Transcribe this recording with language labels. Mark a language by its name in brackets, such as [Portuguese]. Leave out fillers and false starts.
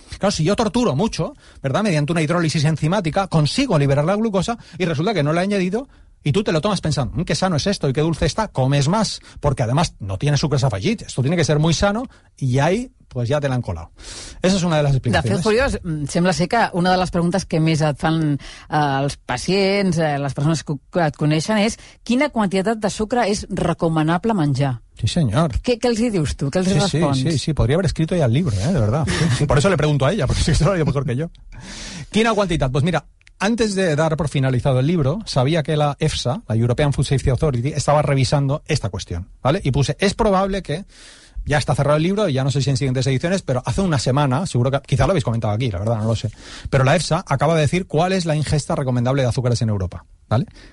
[Spanish] Claro, si yo torturo mucho, ¿verdad?, mediante una hidrólisis enzimática, consigo liberar la glucosa y resulta que no la he añadido. Y tú te lo tomas pensando, qué sano es esto y qué dulce está, comes más, porque además no tiene [Catalan] sucres afegits, [Spanish] esto tiene que ser muy sano, y ahí, pues ya te la han colado. Esa es una de las explicaciones. [Catalan] De fet, Julio, sembla ser que una de les preguntes que més et fan els pacients, les persones que et coneixen, és quina quantitat de sucre és recomanable menjar? [Spanish] Sí, señor. [Catalan] ¿Qué les dius tú? ¿Qué les respondes? [Spanish] Sí, podría haber escrito ya el libro, de verdad. Sí. Por eso le pregunto a ella, porque si se lo haría mejor que yo. [Catalan] ¿Quina quantitat? [Spanish] Pues mira, antes de dar por finalizado el libro, sabía que la EFSA, la European Food Safety Authority, estaba revisando esta cuestión, ¿vale? Y puse, es probable que, ya está cerrado el libro, ya no sé si en siguientes ediciones, pero hace una semana, seguro que, quizá lo habéis comentado aquí, la verdad, no lo sé, pero la EFSA acaba de decir cuál es la ingesta recomendable de azúcares en Europa, ¿vale?